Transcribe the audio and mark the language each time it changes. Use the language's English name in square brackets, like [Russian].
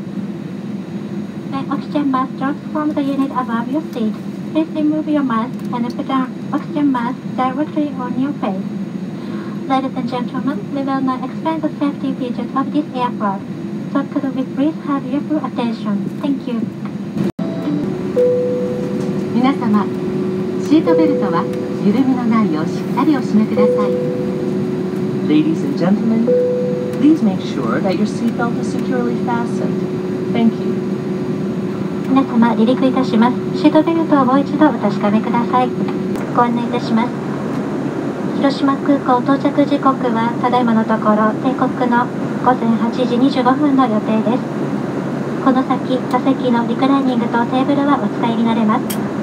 [English] When oxygen mask drops from the unit above your seat, please remove your mask and put an oxygen mask directly on your face. Ladies and gentlemen, we will now explain the safety features of this aircraft. So could we please have your full attention? Thank you. [Japanese] 皆様、シートベルトは緩みのないようしっかりお締めください。 [English] Ladies and gentlemen, please make sure that your seatbelt is securely fastened. Thank you. [Japanese] 皆様、離陸いたします。シートベルトをもう一度お確かめください。ご案内いたします。広島空港到着時刻はただいまのところ定刻の午前8時25分の予定です。この先座席のリクライニングとテーブルはお使いになれます。